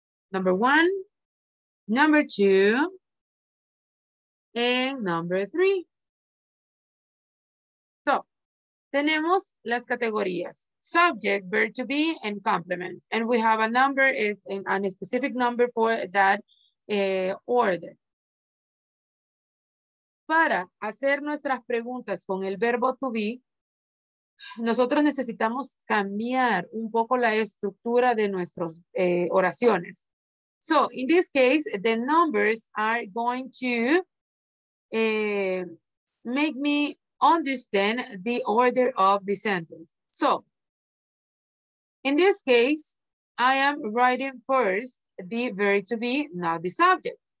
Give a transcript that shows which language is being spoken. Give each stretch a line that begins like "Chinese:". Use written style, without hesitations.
English: Number one, number two, and number three. So,
Spanish: tenemos las categorías,
English: subject, verb to be, and complement. And we have a number, and a specific number for that order.
Spanish: Para hacer nuestras preguntas con el verbo to be, nosotros necesitamos cambiar un poco la estructura de nuestras oraciones.
English: So, in this case, the numbers are going to make me understand the order of the sentence. So, in this case, I am writing first the verb to be, not the subject.